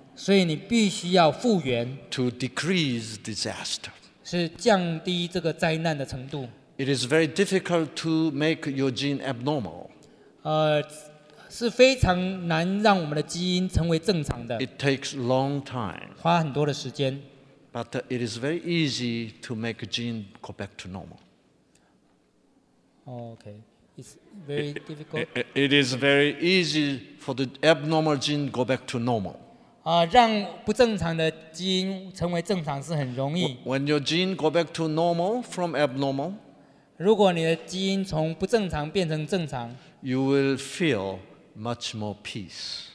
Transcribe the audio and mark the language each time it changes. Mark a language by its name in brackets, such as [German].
[Chinese] 所以你必须要复原。 [English] To decrease disaster. [Chinese] 是降低这个灾难的程度。 [English] It is very difficult to make your gene abnormal. [Chinese] 是非常难让我们的基因成为正常的。 [English] It takes long time. [Chinese] 花很多的时间。 [English] But it is very easy to make a gene go back to normal. Okay, it's very difficult. It is very easy for the abnormal gene go back to normal. [Chinese] 啊，让不正常的基因成为正常是很容易。 [English] When your gene go back to normal from abnormal, [Chinese] 如果你的基因从不正常变成正常 [English] ，you will feel much more peace.